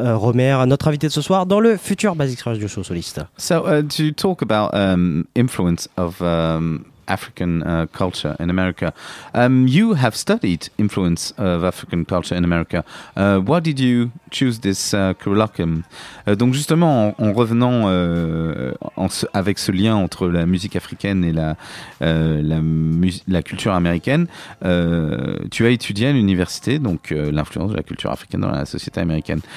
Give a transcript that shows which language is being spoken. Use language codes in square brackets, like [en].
[fr] Romer, notre invité de ce soir dans le futur Basics Radio Show soliste. [en] So, to talk about influence of African culture in America, you have studied influence of African culture in America. Why did you choose this curriculum? [fr] Donc justement, en revenant avec ce lien entre la musique africaine et la culture américaine, tu as étudié à l'université, donc l'influence de la culture africaine dans la société américaine.